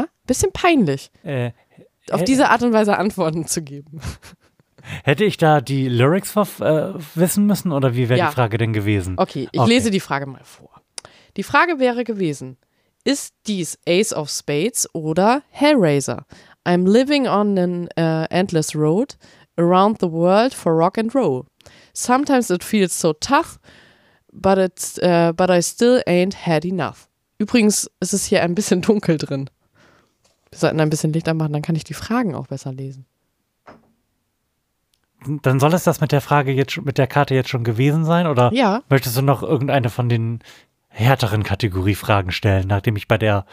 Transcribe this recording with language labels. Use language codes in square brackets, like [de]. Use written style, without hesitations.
[de] Ein bisschen peinlich. Auf diese Art und Weise Antworten zu geben. Hätte ich da die Lyrics wissen müssen oder wie wäre ja. die Frage denn gewesen? Okay, ich lese die Frage mal vor. Die Frage wäre gewesen, ist dies Ace of Spades oder Hellraiser? [en] I'm living on an endless road around the world for rock and roll. Sometimes it feels so tough, but I still ain't had enough. [de] Übrigens ist es hier ein bisschen dunkel drin. Wir sollten ein bisschen Licht anmachen, dann kann ich die Fragen auch besser lesen. Dann soll es das mit der Frage jetzt, mit der Karte jetzt schon gewesen sein? Oder ja. möchtest du noch irgendeine von den härteren Kategoriefragen stellen, nachdem ich bei der